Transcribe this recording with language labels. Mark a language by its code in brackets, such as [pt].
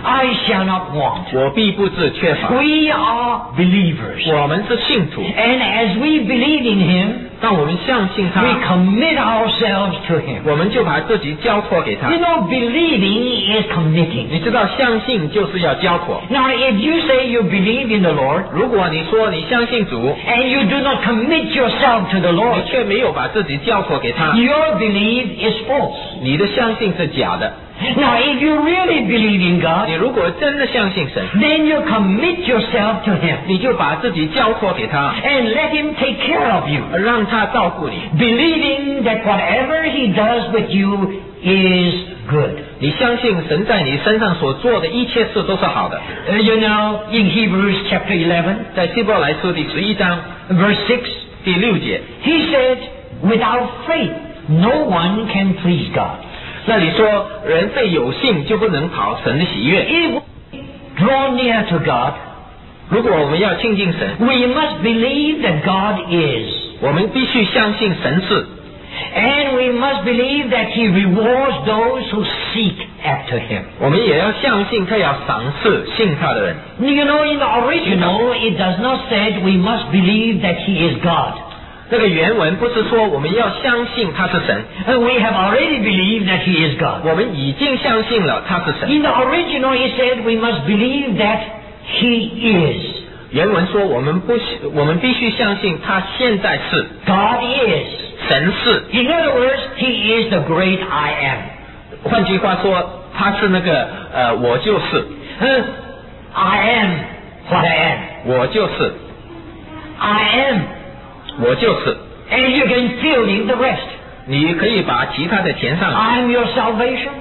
[en] I shall not want. [zh] 我必不致缺乏。 [en] We are believers. [zh] 我们是信徒。 [en] And as we believe in him, [zh] 当我们相信他， [en] we commit ourselves to him. [zh] 我们就把自己交托给他。 [en] You know, believing is committing. [zh] 你知道相信就是要交托。 [en] Now, if you say you believe in the Lord, [zh] 如果你说你相信主， [en] and you do not commit yourself to the Lord, [zh] 你却没有把自己交托给他， [en] your belief is false. [zh] 你的相信是假的。 [en] Now, if you really believe in God, [zh] 你如果真的相信神， [en] then you commit yourself to Him. [zh] 你就把自己交托给他， [en] and let Him take care of you. [zh] 让他照顾你。 [en] Believing that whatever He does with you is good. [zh] 你相信神在你身上所做的一切事都是好的。 [en] You know, in Hebrews chapter 11, [zh] 在希伯来书第十一章， [en] verse 6, [zh] 第六节， [en] He said, without faith, no one can please God. [zh] 那里说人非有信就不能讨神的喜悦。 [en] If we draw near to God, [zh] 如果我们要亲近神， [en] we must believe that God is, [zh] 我们必须相信神是， [en] and we must believe that He rewards those who seek after Him. [zh] 我们也要相信他要赏赐信他的人。 [en] You know, in the original, it does not say we must believe that He is God. [zh] 那个原文不是说我们要相信他是神。 [en] We have already believed that he is God. [zh] 我们已经相信了他是神。 [en] In the original, he said we must believe that he is. [zh] 原文说我们必须相信他现在是。 [en] God is. [zh] 神是。 [en] In other words, he is the great I am. [zh] 换句话说，他是那个我就是。 [en] I am what I am. [zh] 我就是。 [en] I am. [zh] 我就是。 [en] And you can fill in the rest. [zh] 你可以把其他的填上。 [en] I am your salvation.